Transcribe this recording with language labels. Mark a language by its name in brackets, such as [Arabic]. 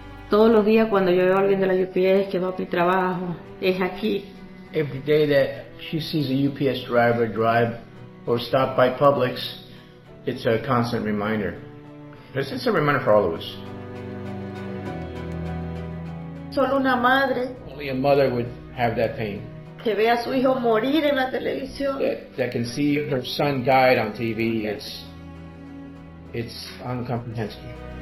[Spanish] Todos los días cuando yo veo a alguien de la UPS que va a mi trabajo, es aquí. [English] Every day that she sees a UPS driver drive or stop by Publix, it's a constant reminder. It's a reminder for all of us. [Spanish] Solo una madre. [English] Only a mother would have that pain. [Spanish] Que ve a su hijo morir en la televisión. [English] That can see her son died on TV, it's uncomprehensible.